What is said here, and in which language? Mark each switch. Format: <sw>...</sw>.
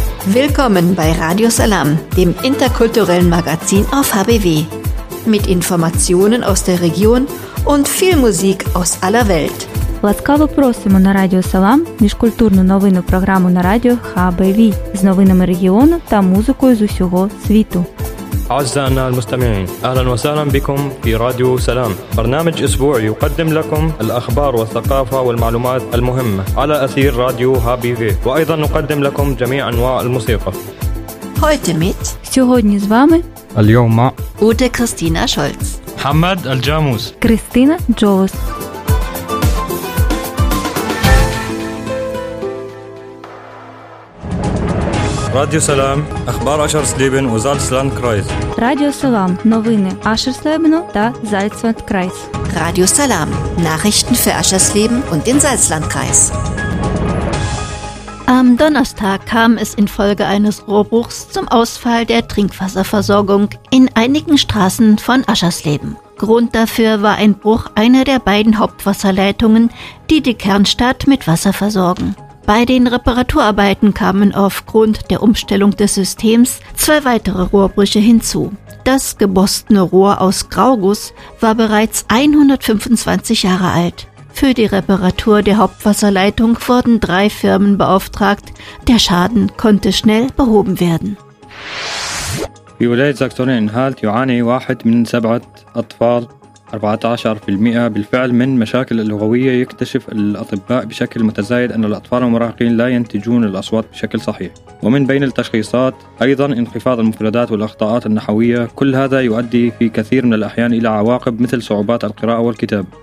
<de>Willkommen bei Radio Salam, dem interkulturellen Magazin auf HBW. Mit Informationen aus der Region und viel Musik aus aller Welt.</de> <uk>Ласкаво просимо на Радіо Салам міжкультурну новинну програму на радіо HBV з новинами регіону та музикою з усього світу.</uk> <ar>أعزائنا المستمعين أهلا وسهلا بكم في راديو سلام برنامج أسبوع يقدم لكم الأخبار والثقافة والمعلومات المهمة على أثير راديو HBV وأيضا نقدم لكم جميع أنواع الموسيقى</ar> <de>heute mit</de> <uk>сьогодні з вами</uk> <ar>اليوم مع</ar> <de>Ute Christina Scholz</de> <ar>محمد الجاموس</ar> <de>Christina Jones</de> <uk>Радіо Салам, Ахбар Ашерслібен у Зальцландкрайс. Радіо Салам, новини Ашерслібену та Зальцландкрайс.</uk> <de>Радіо Салам, Nachrichten für Ашерслібен und den Salzlandkreis. Am Donnerstag kam es infolge eines Rohrbruchs zum Ausfall der Trinkwasserversorgung in einigen Straßen von Ашерслібен. Grund dafür war ein Bruch einer der beiden Hauptwasserleitungen, die die Kernstadt mit Wasser versorgen. Bei den Reparaturarbeiten kamen aufgrund der Umstellung des Systems zwei weitere Rohrbrüche hinzu. Das gebostene Rohr aus Grauguss war bereits 125 Jahre alt. Für die Reparatur der Hauptwasserleitung wurden drei Firmen beauftragt. Der Schaden konnte schnell behoben werden.</de> <ar>في ولاية ساكسون-أنهالت يعاني واحد من سبعة أطفال 14% بالفعل من مشاكل اللغوية يكتشف الأطباء بشكل متزايد أن الأطفال المراهقين لا ينتجون الأصوات بشكل صحيح ومن بين التشخيصات أيضا انخفاض المفردات والأخطاءات النحوية كل هذا يؤدي في كثير من الأحيان إلى عواقب مثل صعوبات القراءة والكتاب</ar>